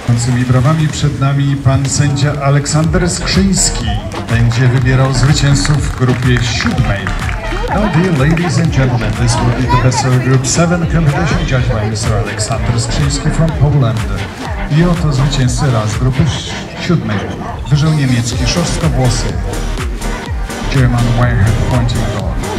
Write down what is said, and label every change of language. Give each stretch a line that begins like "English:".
Polish: Tymi brawami przed nami pan sędzia Aleksander Skrzyński będzie wybierał zwycięzców w grupie siódmej.
English: Now dear ladies and gentlemen, this will be the best of group 7 competition judged by Mr. Aleksander Skrzyński from Poland.
Polish: I oto zwycięzcy raz grupy siódmej. Wyżeł niemiecki, szorstkowłosy.
English: German Wirehead Pointing Dog.